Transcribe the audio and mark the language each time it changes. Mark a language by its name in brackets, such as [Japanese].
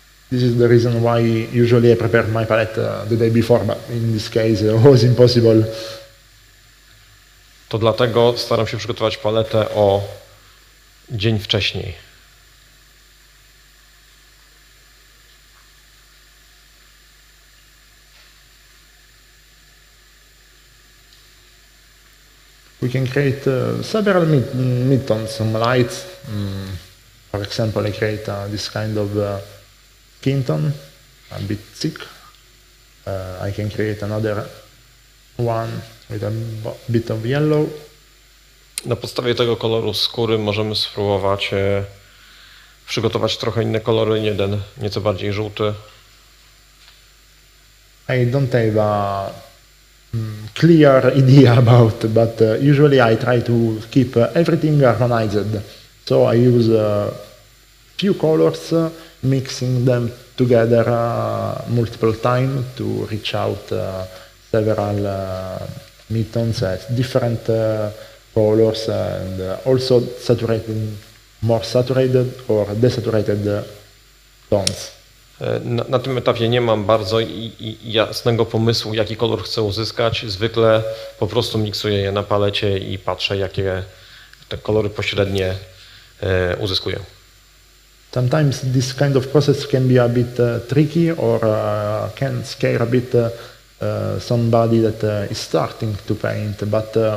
[English] This is the reason why usually I prepare my palette the day before, but in this case it was impossible. [Polish] To dlatego staram się przygotować paletę o dzień wcześniej. [English] We can create several mid-tones, some lights. For example, I create this kind of Kinton, a bit thick. I can create another one with a bit of yellow. [Polish] Na podstawie tego koloru skóry możemy spróbować przygotować trochę inne kolory, jeden nieco bardziej żółty. [English] I don't have a clear idea about, but usually I try to keep everything harmonized. So I use a few colors, mixing them together multiple times to reach out several mid-tones, different colors, and also saturated, more saturated or desaturated tones. [Polish] Na tym etapie nie mam bardzo jasnego pomysłu, jaki kolor chcę uzyskać. Zwykle po prostu miksuję je na palecie i patrzę, jakie te kolory pośrednie uzyskuję. [English] Sometimes this kind of process can be a bit tricky or can scare a bit somebody that is starting to paint, but